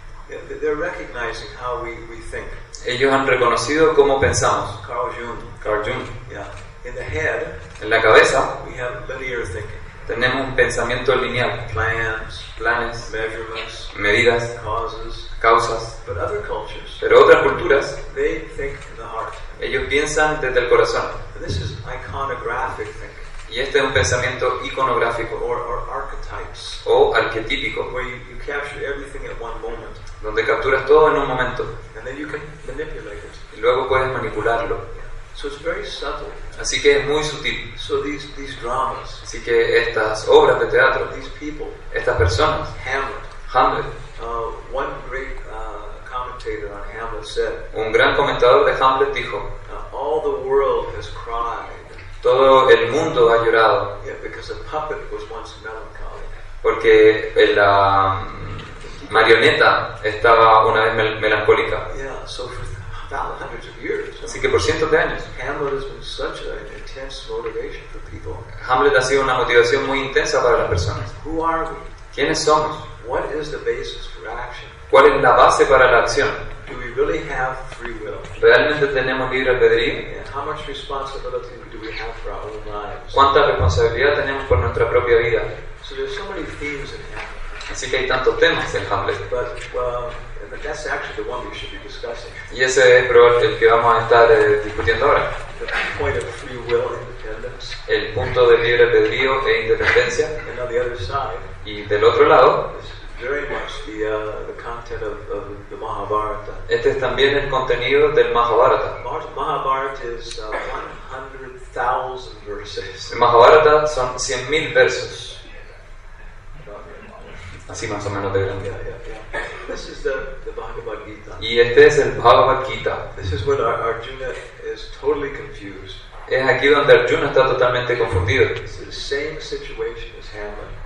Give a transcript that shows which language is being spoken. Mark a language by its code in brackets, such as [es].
[en] Yeah, they're recognizing how we think. [es] Ellos han reconocido cómo pensamos. [en] Carl Jung. Yeah. In the head. [es] En la cabeza. [en] We have linear thinking. [es] Tenemos un pensamiento lineal. [en] Plans. Measurements. Medidas. Causas. But other cultures. [es] Pero otras culturas. [en] They think in the heart. [es] Ellos piensan desde el corazón. [en] And this is iconographic thinking. [es] Y este es un pensamiento iconográfico [en] or archetypes, [es] o arquetípico, [en] where you capture everything at one moment, [es] donde capturas todo en un momento, [en] and then you can manipulate it. [es] Y luego puedes manipularlo. [en] So it's very subtle. [es] Así que es muy sutil. [en] So these dramas, [es] así que estas obras de teatro, [en] these people, [es] estas personas, [en] Hamlet. One great commentator on Hamlet said, [es] un gran comentador de Hamlet dijo, [en] all the world has cried. [es] Todo el mundo ha llorado. [en] Yeah, because a puppet was once melancholy. [es] Porque la marioneta estaba una vez melancólica. [en] Yeah, so for thousands of years. [es] Así que por cientos de años. [en] Hamlet has been such an intense motivation for people. [es] Hamlet ha sido una motivación muy intensa para las personas. [en] Who are we? [es] ¿Quiénes somos? [en] What is the basis for action? [es] ¿Cuál es la base para la acción? [en] Do we really have free will? [es] ¿Realmente tenemos libre albedrío? [en] And how much responsibility do we have for our own lives? [es] ¿Cuánta responsabilidad tenemos por nuestra propia vida? [en] So there's so many themes in Hamlet. [es] Así que hay tantos temas en Hamlet. [en] But that's actually the one we should be discussing. [es] Y ese es probablemente el que vamos a estar discutiendo ahora. [en] The point of free will and independence. [es] El punto de libre albedrío e independencia. [en] And on the other side. [es] Y del otro lado. [en] Very much the content of the Mahabharata. [es] Este es también el contenido del Mahabharata. [en] Mahabharata is 100,000 verses. [es] El Mahabharata son 100,000 versos. Así más o menos de grande. [en] Yeah. This is the Bhagavad Gita. [es] Y este es el Bhagavad Gita. [en] This is when Arjuna is totally confused. [es] Es aquí donde Arjuna está totalmente confundido. [en] It's the same situation as Hamlet.